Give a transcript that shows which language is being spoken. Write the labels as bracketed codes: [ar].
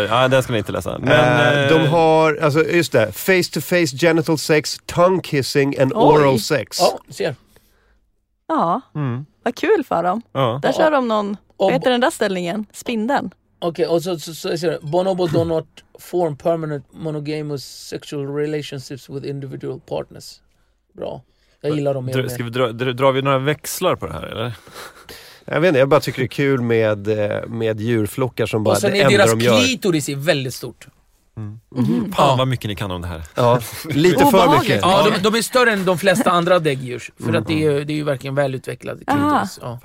[sv] Den ska ni inte läsa. Men, De har, alltså just det, [en] face-to-face genital sex, tongue kissing and oral sex. [sv] Ja, vad kul för dem. Där kör de någon, vad heter den där ställningen? Spindeln. Okej, okay, och så ser det. [en] Bonobo do not form permanent monogamous sexual relationships with individual partners. [sv] Bra, jag gillar dem. Drar vi några växlar på det här, eller? Jag vet inte, jag bara tycker det är kul med djurflockar som bara ändrar de gör. Och sen är deras klitoris väldigt stort. Fan vad mycket ni kan om det här. Ja, lite för mycket. Ja, de är större än de flesta andra däggdjur. För att det är ju verkligen välutvecklad klitoris.